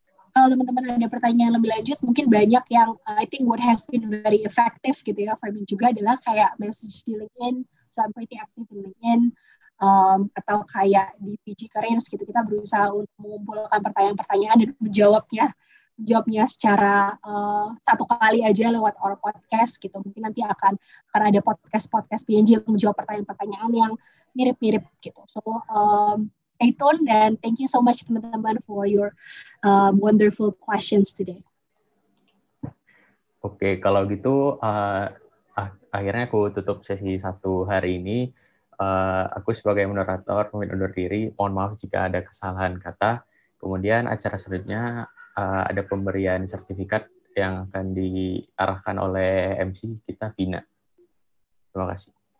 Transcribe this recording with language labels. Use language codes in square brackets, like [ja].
[id] Kalau teman-teman ada pertanyaan lebih lanjut, mungkin banyak yang [en] I think what has been very effective [id] gitu ya [en] for me [id] juga adalah kayak message di LinkedIn, [en] so I'm pretty active in LinkedIn, [id] atau kayak di PG Careers gitu, kita berusaha untuk mengumpulkan pertanyaan-pertanyaan dan menjawabnya secara satu kali aja lewat [en] our podcast [id] gitu. Mungkin nanti akan ada podcast-podcast PNG yang menjawab pertanyaan-pertanyaan yang mirip-mirip gitu. [en] So, stay tuned and thank you so much [id] teman-teman [en] for your wonderful questions today. [id] Oke, kalau gitu akhirnya aku tutup sesi satu hari ini. Aku sebagai moderator pamit undur diri, mohon maaf jika ada kesalahan kata. Kemudian acara selanjutnya ada pemberian sertifikat yang akan diarahkan oleh MC kita, Vina. Terima kasih.